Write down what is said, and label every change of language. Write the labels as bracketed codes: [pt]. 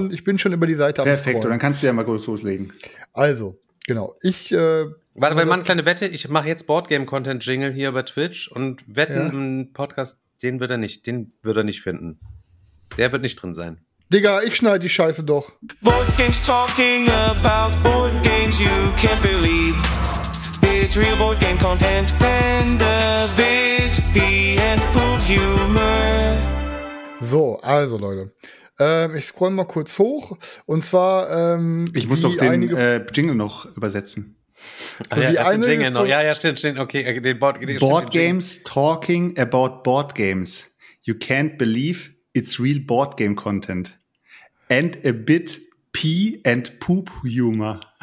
[de] Ich bin schon über die Seite abgekommen. Perfekt, dann kannst du ja mal kurz loslegen. Also, genau, ich Warte, wir machen eine kleine Wette. Ich mache jetzt Boardgame-Content-Jingle hier bei Twitch und wetten, ja, einen Podcast, den wird er nicht finden. Der wird nicht drin sein. Digga, ich schneide die Scheiße doch. [en] Board games talking about board games you can't believe. It's real board game content and a bit and poop humor. [de] So, also Leute. Ich scroll mal kurz hoch. Und zwar, ich muss doch den Jingle noch übersetzen. So, ja, das ist Jingle noch. Ja, stimmt. Okay, den [en] Board Games. Board Games talking about board games. You can't believe it's real board game content. And a bit pee and poop humor.